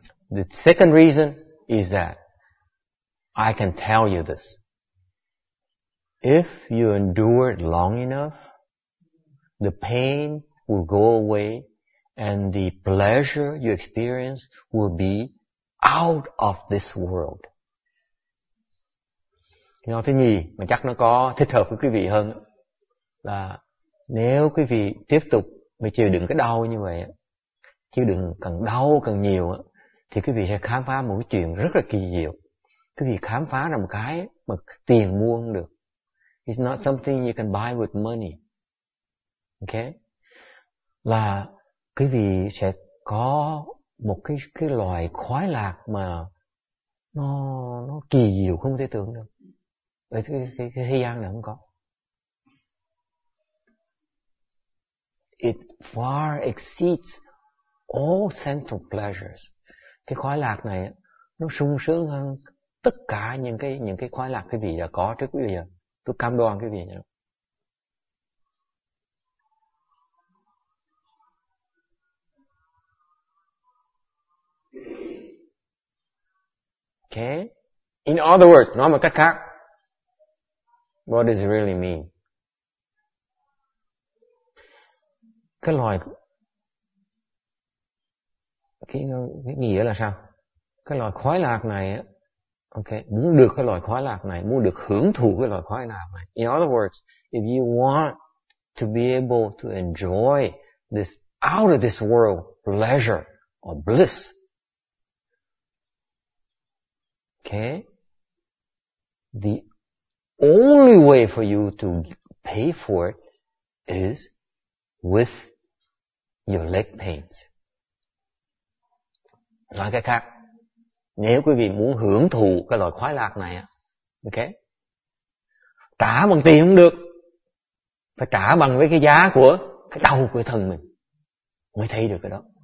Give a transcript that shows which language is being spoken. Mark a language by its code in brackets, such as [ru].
[en] The second reason is that I can tell you this. If you endure it long enough, the pain will go away and the pleasure you experience will be out of this world. [vi] Nhỏ thứ nhì mà chắc nó có thích hợp với quý vị hơn là nếu quý vị tiếp tục mà chịu đựng cái đau như vậy, chịu đựng càng đau càng nhiều thì quý vị sẽ khám phá một cái chuyện rất là kỳ diệu. Quý vị khám phá ra một cái mà tiền mua không được. [en] It's not something you can buy with money. Okay? [vi] Là quý vị sẽ có một cái loài khoái lạc mà nó kỳ diệu không thể tưởng được. Ở cái thế gian này không có. [en] It far exceeds all sensual pleasures. [vi] Cái khoái lạc này nó sung sướng hơn tất cả những cái khoái lạc cái gì đã có trước bây giờ. Tôi cam đoan cái gì nhỉ? [en] Okay. In other words, [vi] nói một cách khác, [en] what does it really mean? [vi] Cái loài, cái nghĩa là sao? Cái loài khoái lạc này, okay, muốn được cái loài khoái lạc này, muốn được hưởng thụ cái loài khoái lạc này. [en] In other words, if you want to be able to enjoy this out of this world pleasure or bliss, okay, the only way for you to pay for it is with your leg pains. [vi] Nói cách khác, nếu quý vị muốn hưởng thụ cái loại khoái lạc này, okay, trả bằng tiền không được, phải trả bằng với cái giá của cái đau của thân mình mới thấy được cái đó.